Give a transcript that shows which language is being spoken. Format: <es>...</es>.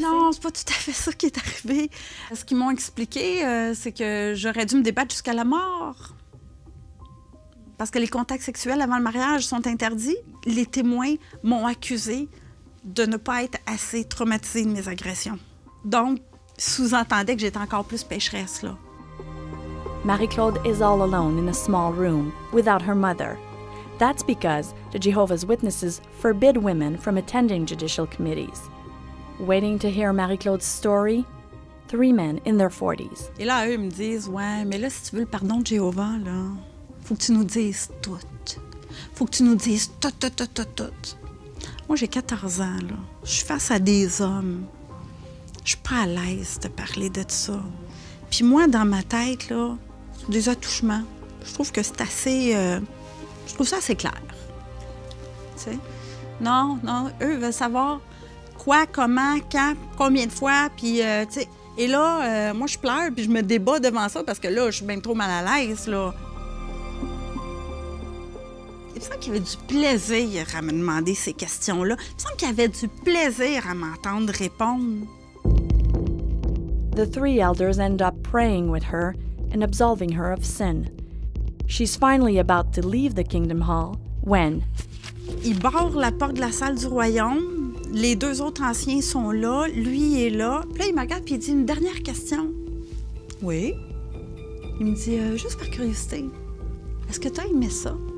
<fr>Non, c'est pas tout à fait ça qui est arrivé. Ce qu'ils m'ont expliqué, c'est que j'aurais dû me débattre jusqu'à la mort. Parce que les contacts sexuels avant le mariage sont interdits. Les témoins m'ont accusé de ne pas être assez traumatisée de mes agressions. Donc, sous-entendait que j'étais encore plus pécheresse, là.</fr> <en>Marie-Claude is all alone in a small room, without her mother. That's because the Jehovah's Witnesses forbid women from attending judicial committees. Waiting to hear Marie-Claude's story, three men in their 40s.</en> <fr>Et là, eux, ils me disent, ouais, mais là, si tu veux le pardon de Jéhovah, là... faut que tu nous dises tout. Faut que tu nous dises tout, tout, tout, tout, tout. Moi, j'ai 14 ans, là. Je suis face à des hommes. Je suis pas à l'aise de parler de ça. Puis moi, dans ma tête, là, c'est des attouchements. Je trouve que c'est assez... Je trouve ça assez clair. Tu sais? Non, non, eux veulent savoir quoi, comment, quand, combien de fois, puis, tu sais... Et là, moi, je pleure, puis je me débat devant ça, parce que là, je suis bien trop mal à l'aise, là. Il me semble qu'il y avait du plaisir à me demander ces questions-là. Il me semble qu'il y avait du plaisir à m'entendre répondre.</fr> <en>The three elders end up praying with her and absolving her of sin. She's finally about to leave the kingdom hall when...</en> <fr>Il barre la porte de la salle du royaume. Les deux autres anciens sont là. Lui est là. Puis là, il me regarde et il dit une dernière question. Oui? Il me dit, juste par curiosité, est-ce que t'as aimé ça?</fr>